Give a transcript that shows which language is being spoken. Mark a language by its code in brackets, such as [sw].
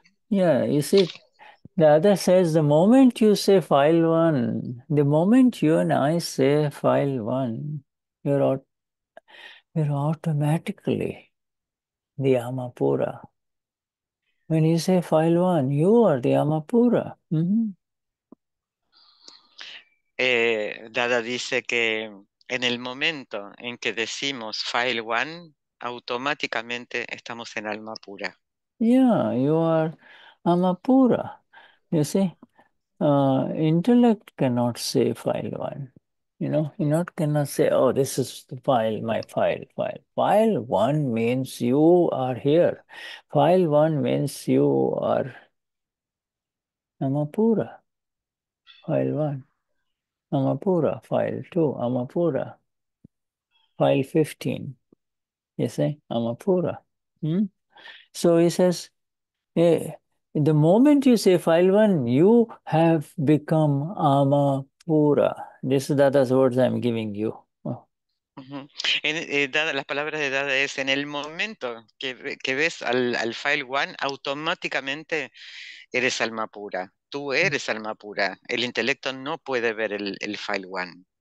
[en] Yeah, you see, Dada says the moment you say file one, the moment you and I say file one, you're automatically the Amapura. When you say file one, you are the Amapura. [es] Dada dice que en el momento en que decimos file one, automáticamente estamos en alma pura. [en] Yeah, you are Amapura, you see, intellect cannot say file one, you know, intellect cannot say, oh, this is the file, my file. File one means you are here. File one means you are Amapura, file one. Amapura, file two, Amapura, file 15, you see, Amapura. So he says, hey, The moment you say file one, you have become Amapura. This is Dada's words I'm giving you. [es] Dada, las palabras de Dada es en el momento que ves al file one, automáticamente eres alma pura. Tú eres alma pura. El intelecto no puede ver el file one.